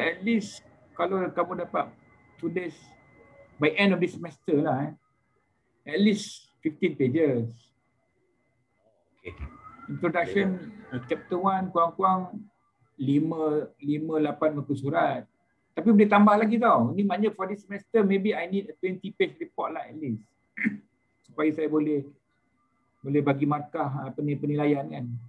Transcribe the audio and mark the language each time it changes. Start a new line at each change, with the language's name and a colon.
English: at least
Malay: kalau kamu dapat tulis
English: by end of this semester lah eh. At least 15 pages. Okay.
Malay: Introduction chapter 1 kurang-kurang 5-8 muka surat. Tapi boleh tambah lagi tau. Ni maknanya
English: for this semester maybe I need a 20 page report lah at least.
Malay: Supaya saya boleh bagi markah penilaian kan.